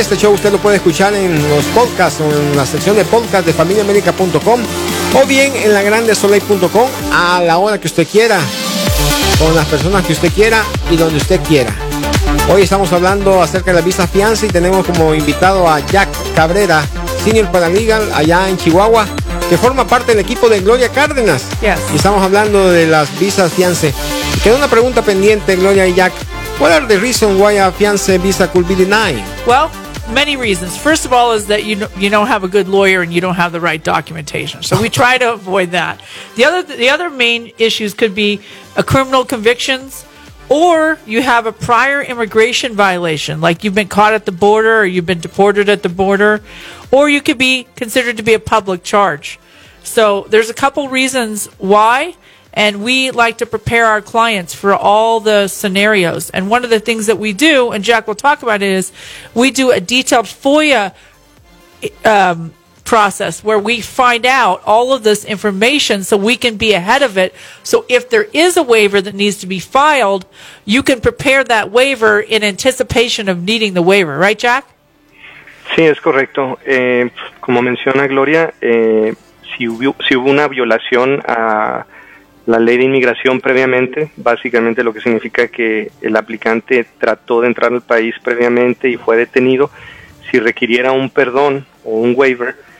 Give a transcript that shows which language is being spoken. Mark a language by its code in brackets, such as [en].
[es] Este show usted lo puede escuchar en los podcasts, en la sección de podcast de FamiliaAmerica.com o bien en LaGrandeSoleil.com a la hora que usted quiera, con las personas que usted quiera y donde usted quiera. Hoy estamos hablando acerca de la visa fianza y tenemos como invitado a Jack Cabrera, Senior Paralegal allá en Chihuahua, que forma parte del equipo de Gloria Cárdenas. [en] Yes. [es] Y estamos hablando de las visas fianza. Queda una pregunta pendiente, Gloria y Jack. [en] What are the reasons why a fiancé visa could be denied? Well, many reasons. First of all is that you don't have a good lawyer and you don't have the right documentation. So we try to avoid that. The other main issues could be a criminal convictions, or you have a prior immigration violation, like you've been caught at the border or you've been deported at the border, or you could be considered to be a public charge. So there's a couple reasons why. And we like to prepare our clients for all the scenarios. And one of the things that we do, and Jack will talk about it, is we do a detailed FOIA process where we find out all of this information so we can be ahead of it. So if there is a waiver that needs to be filed, you can prepare that waiver in anticipation of needing the waiver. Right, Jack? [es] Sí, es correcto. Como menciona Gloria, si hubo una violación a la ley de inmigración previamente, básicamente lo que significa que el aplicante trató de entrar al país previamente y fue detenido, si requiriera un perdón o un waiver,